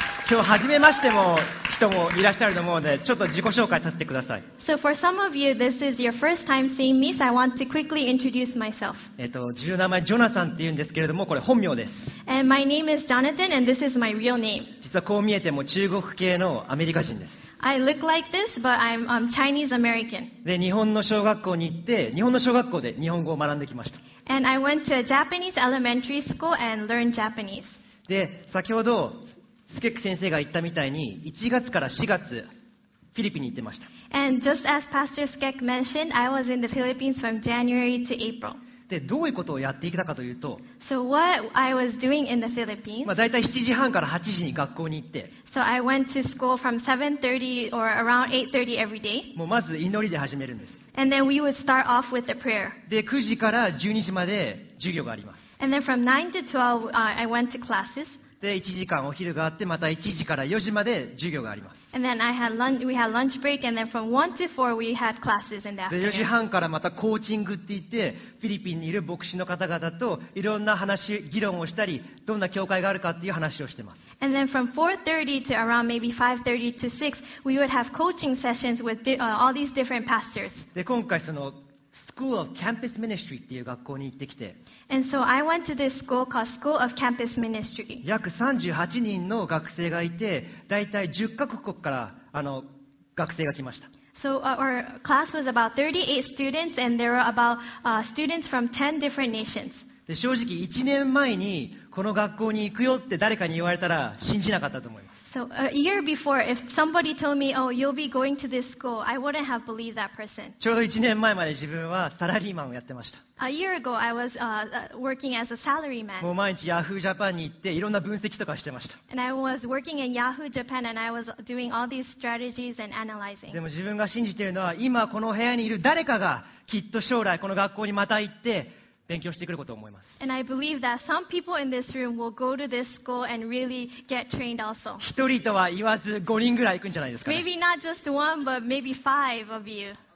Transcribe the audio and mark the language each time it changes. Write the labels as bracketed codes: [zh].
[ja] 今日初めましても人もいらっしゃると思うので、ちょっと自己紹介させてください。 [en] So for some of you, this is your first time seeing me, so I want to quickly introduce myself. [ja] 自分の名前ジョナサンって言うんですけれども、これ本名です。 [en] And my name is Jonathan, and this is my real name. [ja] 実はこう見えても中国系のアメリカ人です。 [en] I look like this, but I'm Chinese American. [ja] で、日本の小学校に行って、日本の小学校で日本語を学んできました。 [en] And I went to a Japanese elementary school and learned Japanese. [ja] で、先ほどスケック先生が言ったみたいに、1月から4月フィリピンに行ってました。 [en] And just as Pastor Skek mentioned, I was in the Philippines from January to April. [ja] でどういうことをやっていたかというと、 [en] so what I was doing in the Philippines, [ja] まあ、だいたい7時半から8時に学校に行って、 [en] so、I went to school from 7:30 or around 8:30 every day. [ja] もうまず祈りで始めるんです。 [en] And then we would start off with the prayer. [ja] で9時から12時まで授業があります。 [en] And then from 9 to 12, I went to classes. [ja] で1時間お昼があって、また1時から4時まで授業があります。 [en] And then I had lunch, we had lunch break, and then from 1 to 4 we had classes in the afternoon. [ja] で、4時半からまたコーチングって言って、フィリピンにいる牧師の方々といろんな話、議論をしたり、どんな教会があるかっていう話をしてます。 [en] And then from 4:30 to around maybe 5:30 to 6, we would have coaching sessions with all these different pastors. [ja] で、今回その、School of Campus Ministry っていう学校に行ってきて、 [en] And so I went to this school called School of Campus Ministry. [ja] 約38人の学生がいて、だいたい10カ国から学生が来ました。 [en] So our class was about 38 students, and there were about students from 10 different nations. [ja] で正直1年前にこの学校に行くよって誰かに言われたら信じなかったと思います。 [en] So a year before, if somebody told me, oh, you'll be going to this school, I wouldn't have believed that person. [ja] ちょうど1年前まで自分はサラリーマンをやってました。 [en] A year ago, I was working as a salaryman. [ja] もう毎日 Yahoo Japan に行っていろんな分析とかしてました。 [en] And I was working in Yahoo Japan and I was doing all these strategies and analyzing. [ja] でも自分が信じているのは、今この部屋にいる誰かがきっと将来この学校にまた行って勉強してくることを思います。 [en] And I believe that some people in this room will go to this school and really get trained also. [ja] 一人とは言わず5人ぐらい行くんじゃないですか、ね。 [en] Maybe not just one, but maybe five of you.